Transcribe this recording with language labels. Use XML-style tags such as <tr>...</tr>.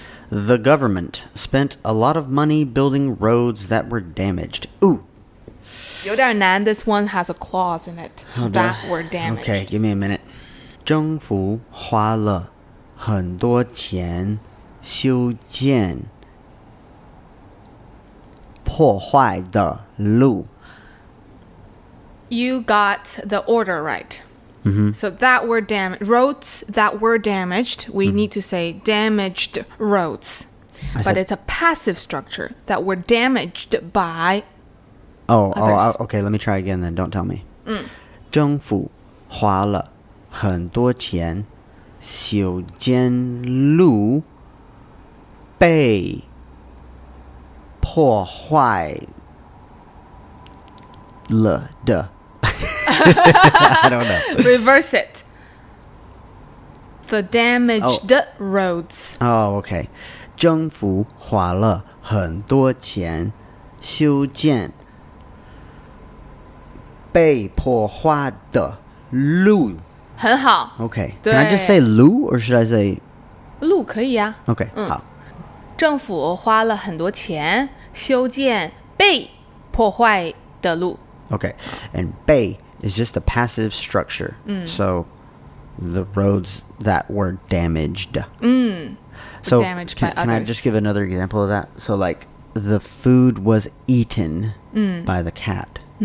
<en>The government spent a lot of money building roads that were damaged. Ooh.</en> <zh>有点难,</zh> <en>this one has a clause in it. Oh, that were damaged. Okay, give me a minute.</en> <zh>政府花了很多钱修建破坏的路。</zh> <en>You got the order right. Mm-hmm. So that were damaged. Roads that were damaged, we need to say damaged roads. But it's a passive structure that were damaged by others. Okay, let me try again then. Don't tell me.</en> <zh>政府花了很多钱修建路被破坏了的。</zh> <en>I don't know. Reverse it. The damaged roads. Oh, okay.</en> <zh>政府花了很多钱修建被破坏的路。很好。</zh> <en>Okay. Can I just say 路 or should I say...</en> <zh>路可以啊。</zh> <en>Okay, 好。</en> <zh>政府花了很多钱修建被破坏的路。</zh> <en>Okay, and 被 is just the passive structure. So, the roads that were damaged. So, damaged by others. Can I just give another example of that? So, like, the food was eaten by the cat.</en>